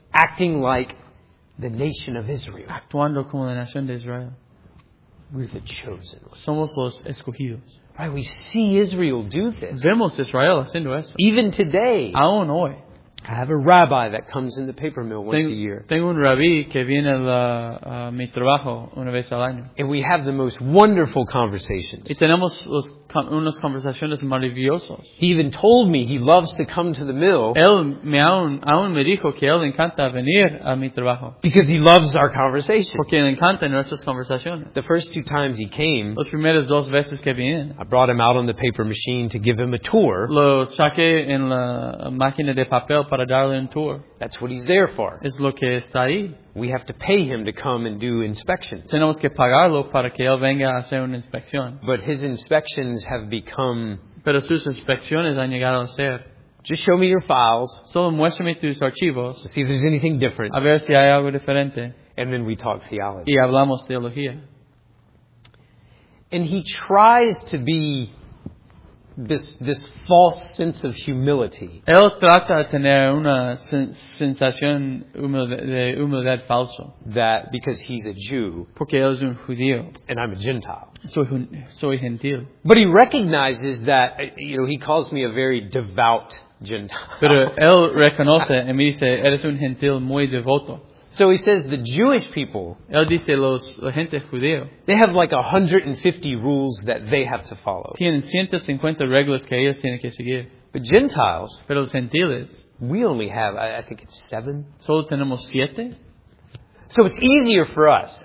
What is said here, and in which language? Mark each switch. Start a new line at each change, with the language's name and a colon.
English: Acting like the nation of Israel.
Spanish: Actuando como la nación de Israel.
English: We're the chosen.
Spanish: Somos los escogidos.
English: Right, we see Israel do this.
Spanish: Vemos Israel haciendo esto.
English: Even today.
Spanish: Aún hoy.
English: I have a rabbi that comes in the paper mill once a year.
Spanish: Tengo un rabí que viene a mi trabajo una vez al año.
English: And we have the most wonderful conversations.
Spanish: Y tenemos unas conversaciones maravillosas.
English: He even told me he loves to come to the mill.
Spanish: Él aún me dijo que él encanta venir a mi trabajo.
English: Because he loves our conversations.
Spanish: Porque le encanta nuestras conversaciones.
English: The first two times he came,
Spanish: las primeras dos veces que viene,
English: I brought him out on the paper machine to give him a tour.
Spanish: Lo saqué en la máquina de papel. Para darle un tour.
English: That's what he's there for.
Spanish: Es lo que está ahí.
English: We have to pay him to come and do inspections.
Spanish: Tenemos que pagarlo para que él venga a hacer una inspección.
English: But his inspections have become.
Spanish: Pero sus inspecciones han llegado a ser.
English: Just show me your files.
Spanish: Solo muéstrame tus archivos.
English: To see if there's anything different.
Spanish: A ver si hay algo diferente.
English: And then we talk theology.
Spanish: Y hablamos teología.
English: And he tries to be. This false sense of humility.
Spanish: Él trata de tener una sensación de humildad falso.
English: That because he's a Jew.
Spanish: Porque él es un judío.
English: And I'm a Gentile.
Spanish: Soy gentil.
English: But he recognizes that, you know, he calls me a very devout Gentile.
Spanish: Pero él reconoce y me dice, eres un gentil muy devoto.
English: So he says the Jewish people.
Spanish: Él dice los gente judío.
English: They have like 150 rules that they have to follow.
Spanish: Tienen 150 reglas que ellos tienen que seguir.
English: But Gentiles.
Spanish: Pero los gentiles.
English: We only have, I think it's 7.
Spanish: Solo tenemos 7.
English: So it's easier for us.